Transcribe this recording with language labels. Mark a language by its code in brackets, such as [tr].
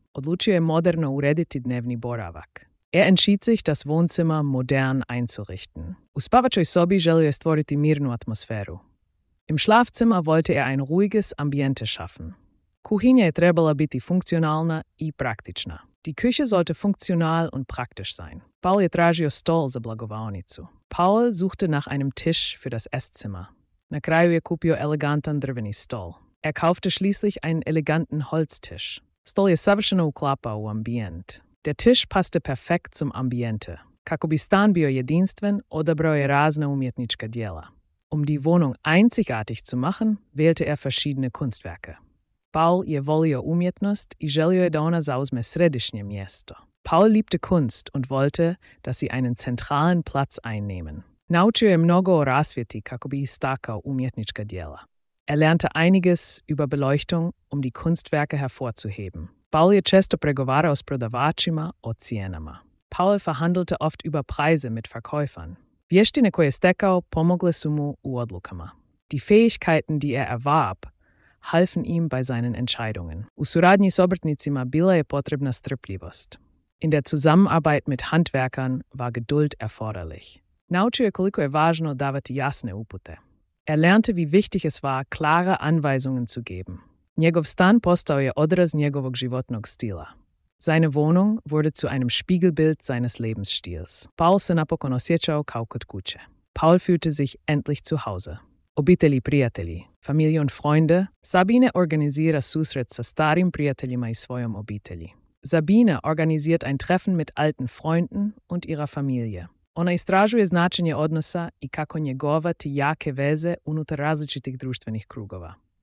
[hr] Odlučio je moderno urediti dnevni boravak. [de] Entschied sich, das Wohnzimmer modern einzurichten. [hr] U spavačoj sobi želio je stvoriti mirnu atmosferu. [de] Im Schlafzimmer wollte ein ruhiges Ambiente schaffen. [hr] Kuhinja je trebala biti funkcionalna i praktična. [de] Die Küche sollte funktional und praktisch sein. [hr] Paul je tražio stol za blagovaonicu. [de] Paul suchte nach einem Tisch für das Esszimmer. [hr] Na kraju je kupio elegantan drveni stol. [de] Kaufte schließlich einen eleganten Holztisch. [hr] Stol je savršeno uklapao u ambijent. Der Tisch passte perfekt zum Ambiente. Kako bi stan bio jedinstven, odabrao je razne umjetnička djela. [de] Die Wohnung einzigartig zu machen, wählte verschiedene Kunstwerke. [hr] Paul je volio umjetnost i želio je da ona zauzme središnje mjesto. [de] Paul liebte Kunst und wollte, dass sie einen zentralen Platz einnehmen. [hr] Naučio je mnogo o rasvjeti kako bi istakao umjetnička djela. [de] Lernte einiges über Beleuchtung, die Kunstwerke hervorzuheben. [hr] Paul je često pregovarao s prodavačima o cijenama. [de] Paul verhandelte oft über Preise mit Verkäufern. [hr] Vještine koje stekao pomogle su mu u odlukama. [de] Die Fähigkeiten, die erwarb, halfen ihm bei seinen Entscheidungen. [hr] U suradnji s obrtnicima bila je potrebna strpljivost. [de] In der Zusammenarbeit mit Handwerkern war Geduld erforderlich. [hr] Naučio je koliko je važno davati jasne upute. [de] Lernte, wie wichtig es war, klare Anweisungen zu geben. [hr] Njegov stan postao je odraz njegovog životnog stila. [de] Seine Wohnung wurde zu einem Spiegelbild seines Lebensstils. [hr] Paul se napokon osjećao kao kod kuće. [de] Paul fühlte sich endlich zu Hause. [hr] Obitelji, prijatelji, [de] familie und Freunde, Sabine organisiert [hr] susret sa starim prijateljima i svojom obitelji. [de] Sabine organisiert ein Treffen mit alten Freunden und ihrer Familie. [hr] Ona istražuje značenje odnosa i kako njegovati jake veze unutar različitih društvenih krugova.